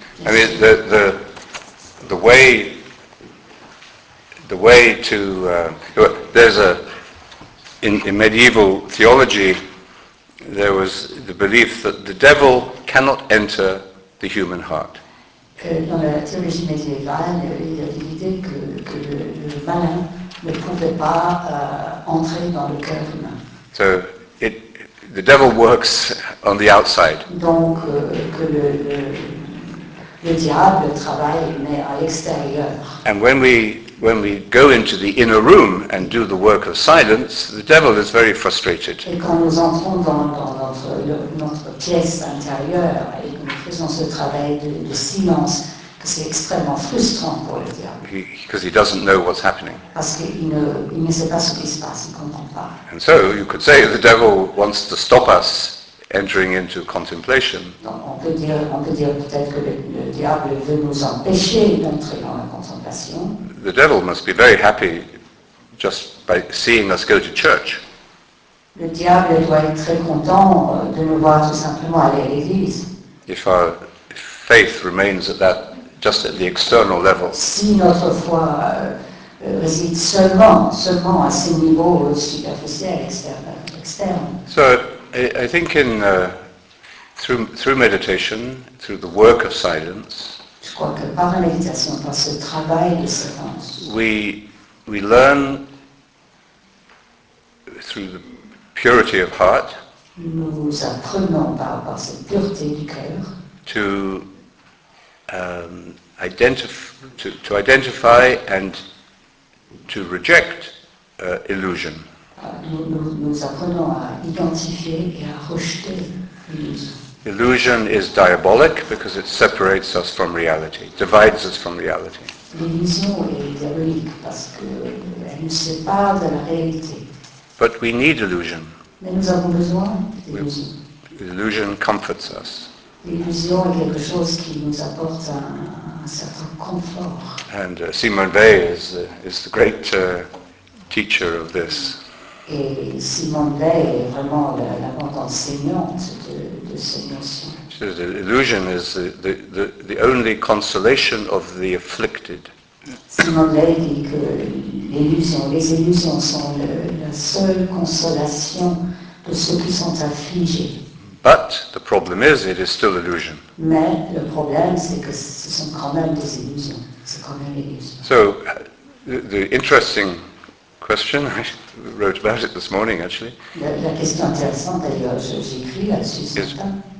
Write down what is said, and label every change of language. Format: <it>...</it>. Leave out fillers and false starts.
<en>I mean, in medieval theology, there was the belief that the devil cannot enter the human heart.</en> <fr>Dans la théologie médiévale, il y a l'idée que le malin ne pouvait pas entrer dans le cœur humain.</fr> <en>So, the devil works on the outside.</en> <fr>Donc, que le diable travaille, mais à l'extérieur.</fr> <en>And when we go into the inner room and do the work of silence, the devil is very frustrated.</en> <fr>Et quand nous entrons dans notre pièce intérieure et que nous faisons ce travail de silence, que c'est extrêmement frustrant pour le diable.</fr> <en>Because he doesn't know what's happening.</en> <fr>Parce qu'il ne sait pas ce qui se passe, il ne comprend pas.</fr> <en>And so you could say the devil wants to stop us entering into contemplation.</en> <fr>On peut dire peut-être que le diable veut nous empêcher d'entrer dans la contemplation.</fr> <en>The devil must be very happy just by seeing us go to church.</en> <fr>Le diable doit être très content de nous voir tout simplement aller à l'église.</fr> <en>If our faith remains at that, just at the external level.</en> <fr>Si notre foi réside seulement à ce niveau superficiel, externe.</fr> <en>So I think in through meditation, through the work of silence.</en> <fr>Je crois que par la méditation, par ce travail de silence.</fr> <en>We learn through the purity of heart.</en> <fr>Nous apprenons par cette pureté du cœur.</fr> <en>To identify and to reject illusion.</en> <fr>Nous apprenons à identifier et à rejeter l'illusion.</fr> <en>Illusion is diabolic because it separates us from reality, divides us from reality.</en> <fr>L'illusion est diabolique parce qu'elle nous sépare de la réalité.</fr> <en>But we need illusion.</en> <fr>Mais nous avons besoin d'illusion.</fr> <en>Illusion comforts us.</en> <fr>L'illusion est quelque chose qui nous apporte un certain confort.</fr> <en>And Simone Weil is the great teacher of this.</en> <fr>Et Simone Weil est vraiment la grande enseignante de cette notion.</fr> <en>So the illusion is the only consolation of the afflicted.</en> <fr>Simone Weil dit que les illusions sont la seule consolation de ceux qui sont affligés.</fr> <en>But the problem is, it is still illusion.</en> <fr>Mais le problème, c'est que ce sont quand même des illusions. C'est quand même l'illusion.</fr> <en>So the interesting question, I wrote about it this morning actually.</en> <fr>La question intéressante, d'ailleurs, j'écris là-dessus ce matin.</fr>